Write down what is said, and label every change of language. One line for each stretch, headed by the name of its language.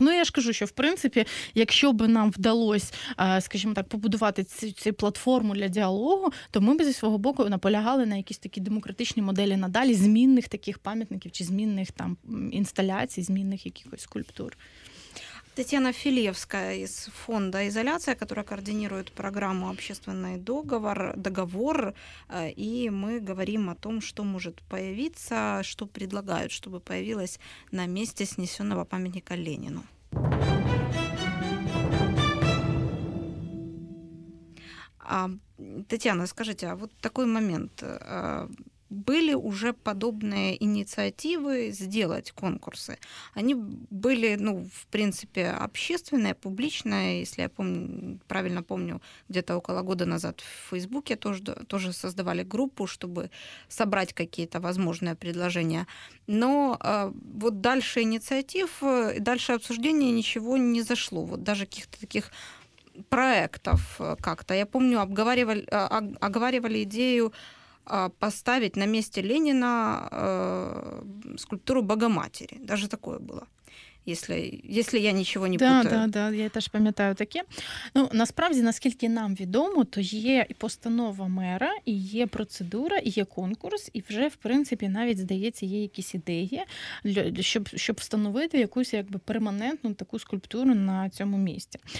Ukrainian: Ну, я ж кажу, що, в принципі, якщо би нам вдалося, скажімо так, побудувати цю платформу для діалогу, то ми б зі свого боку наполягали на якісь такі демократичні моделі надалі змінних таких пам'ятників чи змінних там інсталяцій, змінних якихось скульптур.
Russian: Татьяна Филевская из фонда «Изоляция», которая координирует программу «Общественный договор», договор, и мы говорим о том, что может появиться, что предлагают, чтобы появилось на месте снесенного памятника Ленину. Татьяна, скажите, а вот такой момент. Были уже подобные инициативы сделать конкурсы. Они были, ну, в принципе, общественные, публичные. Если я помню, правильно помню, где-то около года назад в Фейсбуке тоже создавали группу, чтобы собрать какие-то возможные предложения. Но вот дальше инициатив, дальше обсуждение ничего не зашло. Вот даже каких-то таких проектов как-то. Я помню, оговаривали идею поставить на месте Ленина скульптуру Богоматери. Даже такое было. Если я нічого не путаю.
Ukrainian: Так, да, так, да, да, я теж пам'ятаю таке. Ну, насправді, наскільки нам відомо, то є і постанова мера, і є процедура, і є конкурс, і вже, в принципі, навіть, здається, є якісь ідеї, щоб встановити якусь, якби, перманентну таку скульптуру на цьому місці.